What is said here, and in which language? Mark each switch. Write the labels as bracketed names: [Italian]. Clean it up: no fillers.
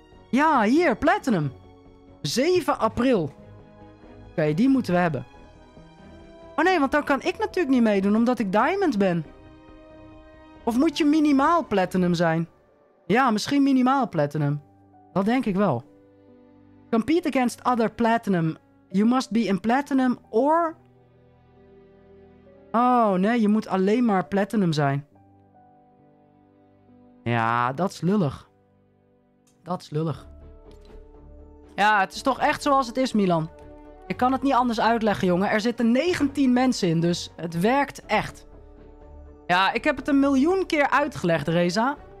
[Dutch] Ja, hier, platinum. 7 april. Oké, die moeten we hebben. Oh nee, want dan kan ik natuurlijk niet meedoen, omdat ik diamond ben. Of moet je minimaal platinum zijn? Ja, misschien minimaal platinum. Dat denk ik wel. [English] Compete against other platinum. You must be in platinum or... [Dutch] Oh nee, je moet alleen maar platinum zijn. Ja, dat is lullig. Dat is lullig. Ja, het is toch echt zoals het is, Milan. Ik kan het niet anders uitleggen, jongen. Er zitten 19 mensen in, dus het werkt echt. Ja, ik heb het 1 miljoen keer uitgelegd, Reza.